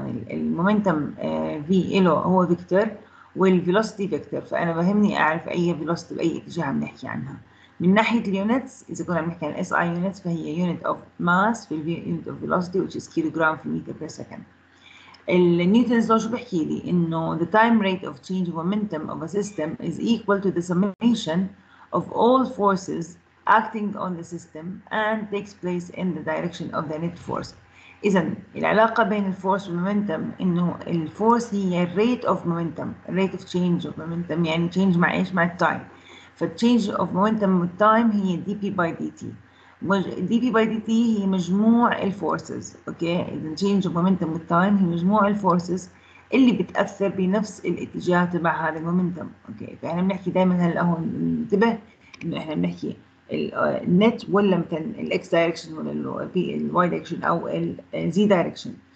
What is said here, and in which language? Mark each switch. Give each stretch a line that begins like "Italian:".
Arabic: المومنتم V إلو هو فيكتور والفيلوسيتي فيكتور، فأنا بهمني أعرف أي فيلوسيتي بأي اتجاه بنحكي عنها. من ناحية اليونتس، إذا كنا بنحكي عن
English: SI units فهي unit of mass في unit of velocity which is kilogram في meter per second.
Arabic: النيوتنز لو شو بحكي لي؟ إنه
English: the time rate of change of momentum of a system is equal to the summation of all forces acting on the system and takes place in the direction of the net force.
Arabic: إذن العلاقة بين الفورس والمومنتم إنه الفورس هي
English: rate of momentum، rate of change of momentum،
Arabic: يعني change مع إيش؟ مع time.
English: فchange of momentum والtime هي dp by dt.
Arabic: dp by dt هي مجموع الفورسز، أوكي؟ إذن change of momentum والtime هي مجموع الفورسز اللي بتأثر بنفس الاتجاه تبع هذا المومنتم، أوكي؟ فإحنا بنحكي دائما هلأ هون انتبه إنه إحنا بنحكي النت ولا مثلا الاكس دايركشن ولا الواي دايركشن او الزي دايركشن.